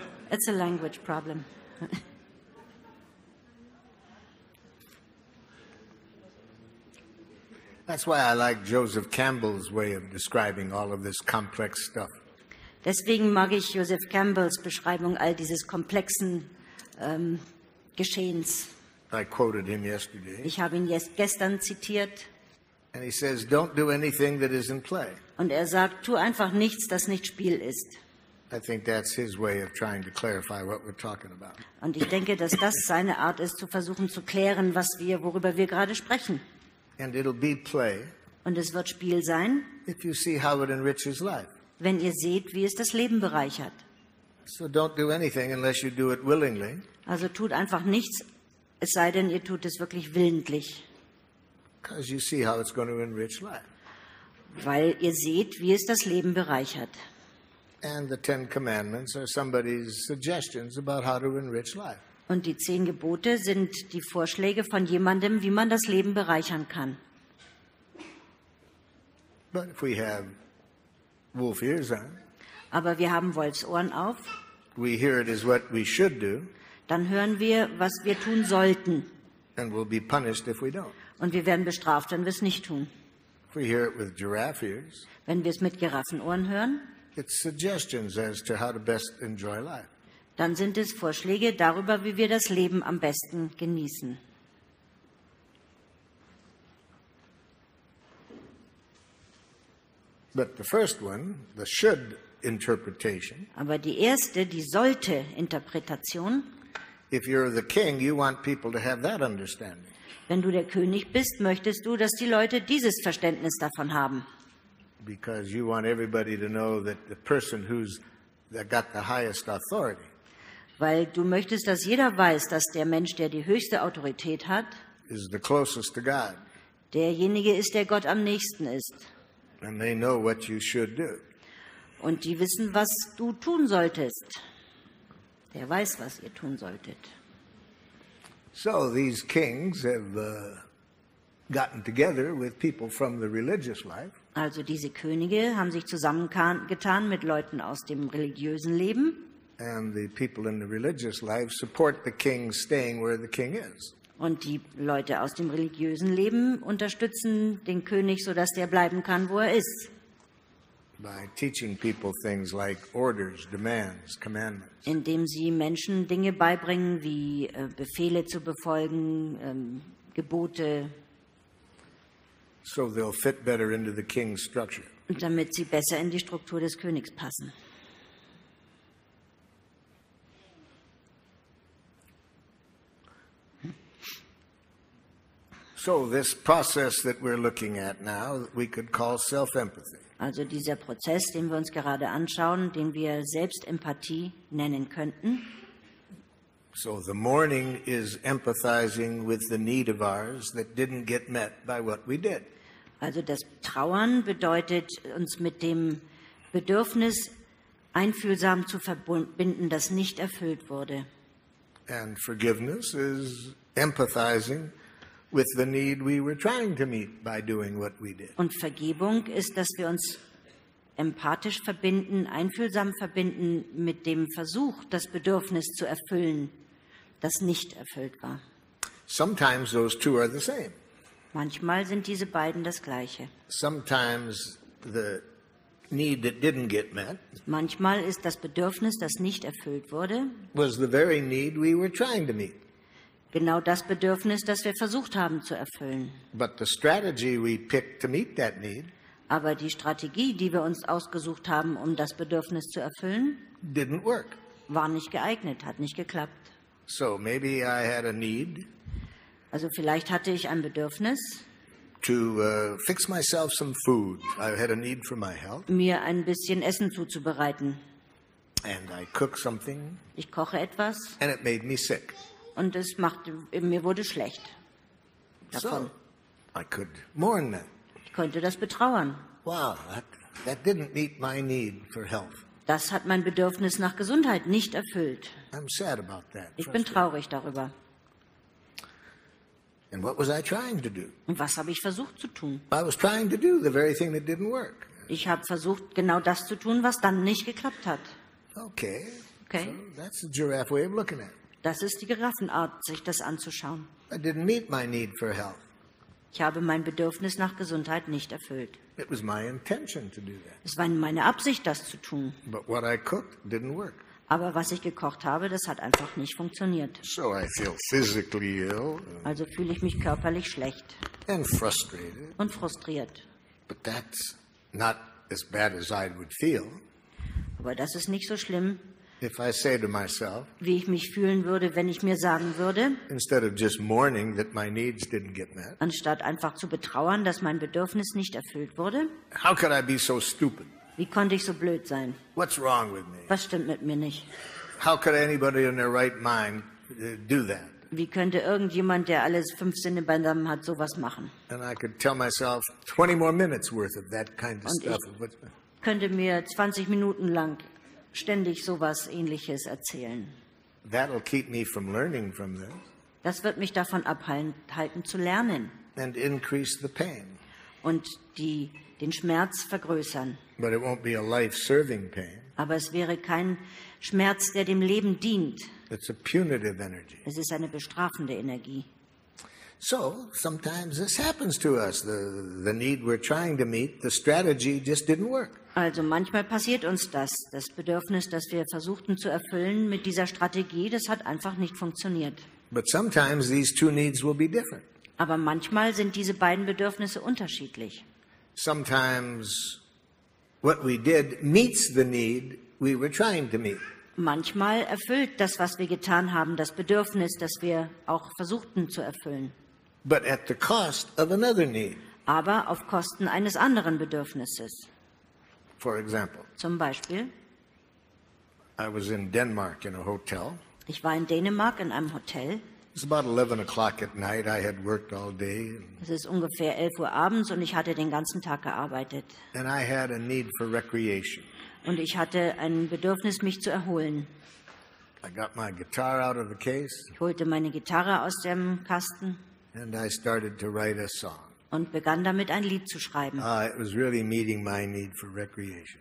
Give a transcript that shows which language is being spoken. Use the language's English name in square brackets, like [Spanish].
[English] It's a language problem. That's why I like Joseph Campbell's way of describing all of this complex stuff. [German] Deswegen mag ich Joseph Campbell's Beschreibung all dieses komplexen Geschehens. [English] I quoted him yesterday. [German] Ich habe ihn gestern zitiert. [English] And he says, don't do anything that isn't play. [German] Und er sagt, tu einfach nichts, das nicht Spiel ist. [English] I think that's his way of trying to clarify what we're talking about. [German] Und ich denke, dass das seine Art ist, zu versuchen zu klären, worüber wir gerade sprechen. [English] And it'll be play. [German] Und es wird Spiel sein. [English] If you see how it enriches life. [German] Wenn ihr seht, wie es das Leben bereichert. [English] So don't do anything unless you do it willingly. [German] Also tut einfach nichts, es sei denn, ihr tut es wirklich willentlich. [English] Because you see how it's going to enrich life. [German] Weil ihr seht, wie es das Leben bereichert. [English] And the Ten Commandments are somebody's suggestions about how to enrich life. [German] Und die Zehn Gebote sind die Vorschläge von jemandem, wie man das Leben bereichern kann. [English] But if we have wolf ears on, [German] aber wir haben Wolfsohren auf. [English] We hear it as what we should do. [German] Dann hören wir, was wir tun sollten. [English] And we'll be punished if we don't. [German] Und wir werden bestraft, wenn wir es nicht tun. [English] If we hear it with giraffe ears, [German] wenn wir es mit Giraffenohren hören, [English] it's suggestions as to how to best enjoy life. [German] Dann sind es Vorschläge darüber, wie wir das Leben am besten genießen. [English] But the first one, the should interpretation, [German] aber die erste, die sollte Interpretation, [English] if you're the king, you want people to have that understanding. [German] Wenn du der König bist, möchtest du, dass die Leute dieses Verständnis davon haben. [English] Because you want everybody to know that the person who's that got the highest authority. [German] Weil du möchtest, dass jeder weiß, dass der Mensch, der die höchste Autorität hat, [English] is the closest to God. [German] Derjenige ist, der Gott am nächsten ist. [English] And they know what you should do. [German] Und die wissen, was du tun solltest. Der weiß, was ihr tun solltet. [English] So these kings have gotten together with people from the religious life. [German] Also diese Könige haben sich zusammengetan mit Leuten aus dem religiösen Leben. [English] And the people in the religious life support the king staying where the king is. [German] Und die Leute aus dem religiösen Leben unterstützen den König, so dass der bleiben kann, wo er ist. [English] By teaching people things like orders, demands, commandments. [German] Indem sie Menschen Dinge beibringen, wie Befehle zu befolgen, Gebote. [English] So they'll fit better into the king's structure. [German] Damit sie besser in die Struktur des Königs passen. [English] So this process that we're looking at now, we could call self-empathy. [German] Also dieser Prozess, den wir uns gerade anschauen, den wir Selbstempathie nennen könnten. [English] So the mourning is empathizing with the need of ours that didn't get met by what we did. [German] Also das Trauern bedeutet, uns mit dem Bedürfnis einfühlsam zu verbinden, das nicht erfüllt wurde. [English] And forgiveness is empathizing with the need we were trying to meet by doing what we did. [German] Und Vergebung ist, dass wir uns empathisch verbinden, einfühlsam verbinden mit dem Versuch, das Bedürfnis zu erfüllen, das nicht erfüllt war. [English] Sometimes those two are the same. [German] Manchmal sind diese beiden das gleiche. [English] Sometimes the need that didn't get met. [German] Manchmal ist das Bedürfnis, das nicht erfüllt wurde, [English] was the very need we were trying to meet. [German] Genau das Bedürfnis, das wir versucht haben zu erfüllen. [English] But the strategy we picked to meet that need, [German] aber die Strategie, die wir uns ausgesucht haben, um das Bedürfnis zu erfüllen, [English] didn't work. [German] War nicht geeignet, hat nicht geklappt. [English] So maybe I had a need, [German] also vielleicht hatte ich ein Bedürfnis, [English] to fix myself some food. I had a need for my health. [German] Mir ein bisschen Essen zuzubereiten. [English] And I cook something, [German] ich koche etwas, [English] and it made me sick. [German] Und es machte, mir wurde schlecht davon. [English] So, I could mourn that. [German] Ich konnte das betrauern. [English] Wow, that didn't meet my need for health. [German] Das hat mein Bedürfnis nach Gesundheit nicht erfüllt. [English] I'm sad about that. [German] Ich bin traurig darüber. [English] And what was I trying to do? [German] Und was habe ich versucht zu tun? [English] I was trying to do the very thing that didn't work. [German] Ich habe versucht, genau das zu tun, was dann nicht geklappt hat. [English] Okay, [German] okay. [English] So that's the giraffe way of looking at it. [German] Das ist die Giraffenart, sich das anzuschauen. [English] I didn't meet my need for health. [German] Ich habe mein Bedürfnis nach Gesundheit nicht erfüllt. [English] It was my intention to do that. [German] Es war meine Absicht, das zu tun. [English] But what I cooked didn't work. [German] Aber was ich gekocht habe, das hat einfach nicht funktioniert. [English] So I feel physically ill. [German] Also fühle ich mich körperlich schlecht. [English] And frustrated. [German] Und frustriert. [English] But that's not as bad as I would feel. [German] Aber das ist nicht so schlimm. [English] If I say to myself, [German] wie ich mich fühlen würde, wenn ich mir sagen würde, [English] instead of just mourning that my needs didn't get met, [German] anstatt einfach zu betrauern, dass mein Bedürfnis nicht erfüllt wurde, [English] how could I be so stupid? [German] Wie konnte ich so blöd sein? [English] What's wrong with me? [German] Was stimmt mit mir nicht? [English] How could anybody in their right mind do that? [German] Wie könnte irgendjemand, der alles fünf Sinne beisammen hat, sowas machen? [English] And I could tell myself 20 more minutes worth of that kind of stuff. [German] Ich könnte mir 20 Minuten lang ständig sowas Ähnliches erzählen. [English] That'll keep me from learning from this. [German] Das wird mich davon abhalten zu lernen. [English] And increase the pain. [German] Und den Schmerz vergrößern. [English] But it won't be a life-serving pain. [German] Aber es wäre kein Schmerz, der dem Leben dient. [English] It's a punitive energy. [German] Es ist eine bestrafende Energie. [English] So sometimes this happens to us. The need we're trying to meet, the strategy just didn't work. [German] Also manchmal passiert uns das. Das Bedürfnis, das wir versuchten zu erfüllen mit dieser Strategie, das hat einfach nicht funktioniert. [English] But sometimes these two needs will be different. [German] Aber manchmal sind diese beiden Bedürfnisse unterschiedlich. [English] Sometimes what we did meets the need we were trying to meet. [German] Manchmal erfüllt das, was wir getan haben, das Bedürfnis, das wir auch versuchten zu erfüllen. [English] But at the cost of another need. [German] Aber auf Kosten eines anderen Bedürfnisses. [English] For example, [German] zum Beispiel, [English] I was in Denmark in a hotel. [German] Ich war in Dänemark in einem Hotel. [English] It was about 11 o'clock at night. I had worked all day. [German] Es ist ungefähr 11 Uhr abends und ich hatte den ganzen Tag gearbeitet. [English] And I had a need for recreation. [German] Und ich hatte ein Bedürfnis, mich zu erholen. [English] I got my guitar out of the case. [German] Ich holte meine Gitarre aus dem Kasten. [English] And I started to write a song. [German] Und begann damit, ein Lied zu schreiben. [English] It was really meeting my need for recreation.